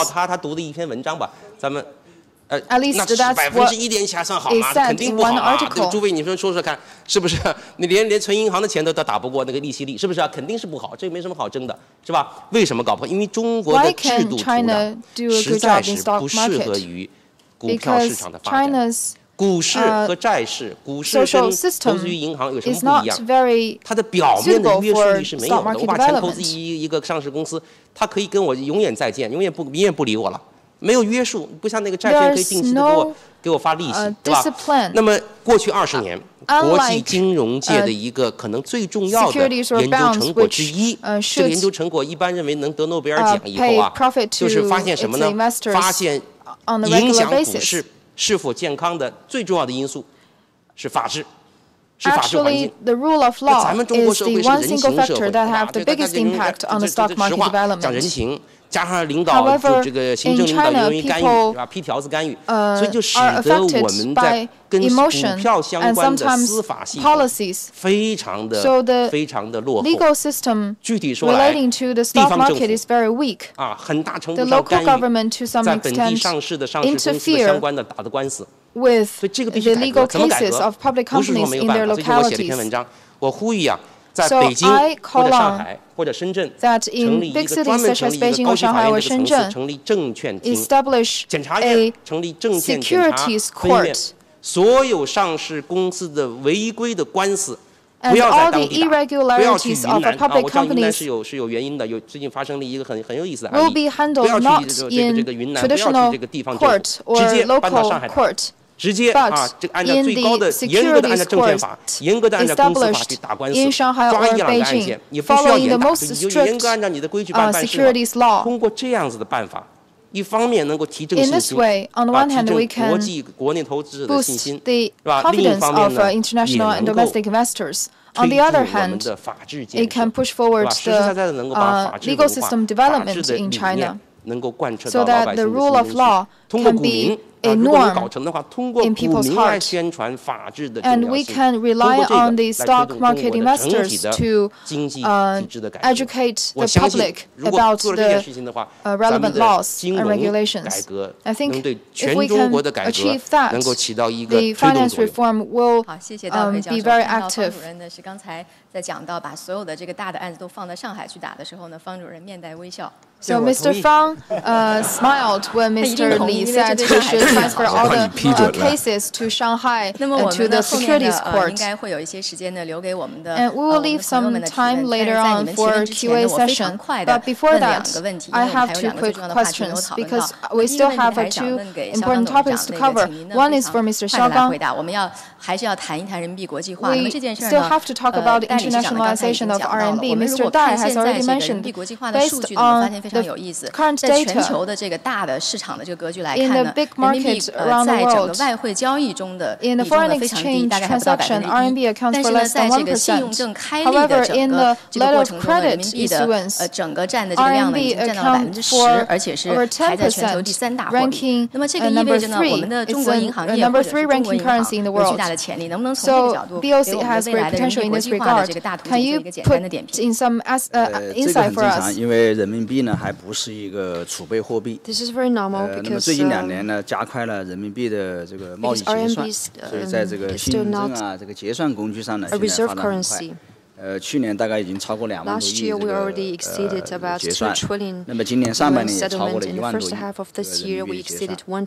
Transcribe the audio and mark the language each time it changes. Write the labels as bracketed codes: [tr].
[zh] 他读的一篇文章吧，咱们。 [en] At least that's what he said in one article. [zh] 肯定不好啊！诸位，你们说说看，是不是？你连存银行的钱都打不过那个利息率，是不是啊？肯定是不好，这没什么好争的，是吧？为什么搞不好？因为中国的制度出的实在是不适合于股票市场的发展。股市和债市，股市跟投资于银行有什么不一样？它的表面的约束力是没有的。我把钱投资于一个上市公司，它可以跟我永远再见，永远不理我了。没有约束，不像那个债券可以定期的给我发利息，对吧？那么过去二十年，国际金融界的一个可能最重要的研究成果之一，这个研究成果一般认为能得诺贝尔奖以后啊，就是发现什么呢？发现影响股市是否健康的最重要的因素是法治。 [en] Actually, the rule of law is the one single factor that have the biggest impact on the stock market development. However, in China, people are affected by emotion and sometimes policies. So the legal system relating to the stock market is very weak. The local government, to some extent, interfere with the legal cases of public companies in their localities. So I call on that in big cities such as Beijing or Shanghai or Shenzhen, establish a securities court, and all the irregularities of a public companies will be handled not in traditional court or local court. [zh] 直接啊，这个按照最高的、严格的按照证券法、严格的按照公司法去打官司，抓一两个案件，你不需要严打，你就严格按照你的规矩办事嘛。通过这样子的办法，一方面能够提振信心，啊，提振国际、国内投资者的信心，是吧？另一方面呢，也能够推动我们的法治建设，是吧？实实在在的能够把法治文化、法治的理念能够贯彻到老百姓的心中去，通过股民。 [en] A norm in people's hearts, and we can rely on the stock market investors to educate the public about the relevant laws and regulations. I think if we can achieve that, the finance reform will be very active. [zh] 在讲到把所有的这个大的案子都放到上海去打的时候呢，方主任面带微笑。 [en] So Mr. Fang smiled when Mr. Li said he should transfer all the cases to Shanghai and to the securities court. [zh] 应该会有一些时间呢留给我们的。 [en] And we will leave some time later on for Q&A session. But before that, I have two quick questions because we still have two important topics to cover. One is for Mr. Xiaogang. [zh] 我们要还是要谈一谈人民币国际化。 [en] We still have to talk about internationalization of RMB. Mr. Dai has already mentioned, based on the current data, in the big market around the world, in the foreign exchange transaction, RMB accounts for less than 1%. However, in the letter of credit issuance, RMB accounts for over 10%, ranking number three. It's a number three ranking currency in the world. So BOC has great potential in this regard. Can you put in some insight for us? [zh] 因为人民币呢还不是一个储备货币。 [en] This is very normal because. [zh] 那么最近两年呢，加快了人民币的这个贸易结算，所以在这个信用证啊这个结算工具上呢，现在发展很快。去年大概已经超过两万多亿这个结算，那么今年上半年也超过了一万多亿人民币结算。